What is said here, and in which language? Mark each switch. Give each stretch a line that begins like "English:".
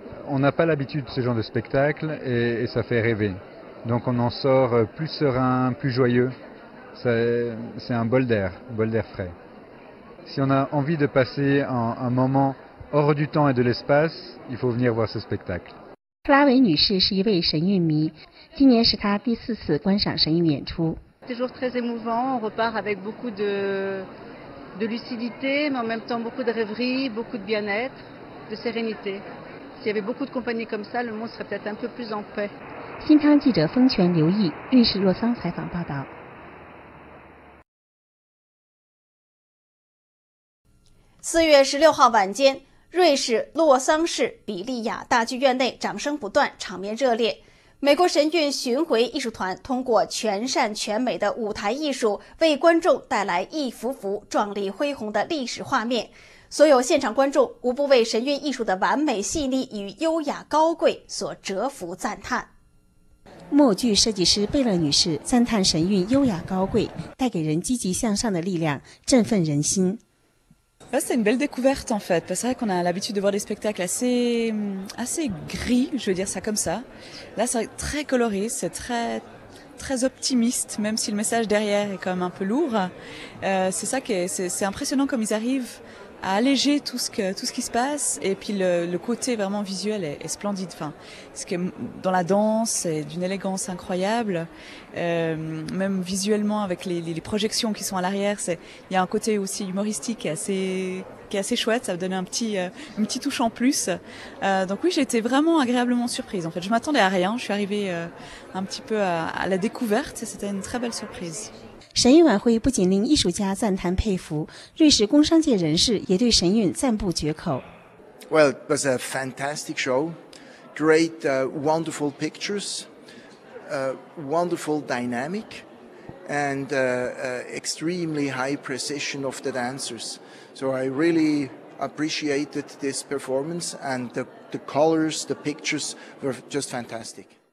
French: On n'a pas l'habitude de ce genre de spectacle et ça fait rêver. Donc on en sort plus serein, plus joyeux. C'est un bol d'air frais. Si on a envie de passer un moment hors du temps et de l'espace, il faut venir voir ce spectacle.
Chinese: 克拉维女士是一位神韵迷，今年是她第四次观赏神韵演出。
French: Toujours très émouvant. On repart avec beaucoup de lucidité, mais en même temps beaucoup de rêverie, beaucoup de bien-être, de sérénité. S'il y avait beaucoup de compagnies comme ça, le monde serait peut-être un peu plus en paix.
Chinese: 新康记者风泉刘毅，瑞士洛桑采访报道。 4月16号晚间，瑞士洛桑市比利亚大剧院内掌声不断，场面热烈。美国神韵巡回艺术团通过全善全美的舞台艺术，为观众带来一幅幅壮丽恢宏的历史画面。所有现场观众无不为神韵艺术的完美细腻与优雅高贵所折服赞叹。默剧设计师贝勒女士赞叹神韵优雅高贵，带给人积极向上的力量，振奋人心。
French: C'est une belle découverte en fait, c'est vrai qu'on a l'habitude de voir des spectacles assez gris, je veux dire ça comme ça. Là c'est très coloré, c'est très optimiste, même si le message derrière est quand même un peu lourd. C'est ça qui est, c'est impressionnant comme ils arrivent. À alléger tout ce qui se passe, et puis le côté vraiment visuel est splendide. Enfin, ce qui est dans la danse est d'une élégance incroyable, même visuellement avec les projections qui sont à l'arrière, il y a un côté aussi humoristique qui est assez chouette, ça me donne une petite touche en plus. Donc oui, j'ai été vraiment agréablement surprise. En fait, je m'attendais à rien, je suis arrivée un petit peu à la découverte, c'était une très belle surprise.
Chinese: 神韵晚会不仅令艺术家赞叹佩服，瑞士工商界人士也对神韵赞不绝口。
English: Well, it was a fantastic show, great, wonderful pictures, wonderful dynamic, and extremely high precision of the dancers. So I really appreciated this performance, and the colors, the pictures were just fantastic.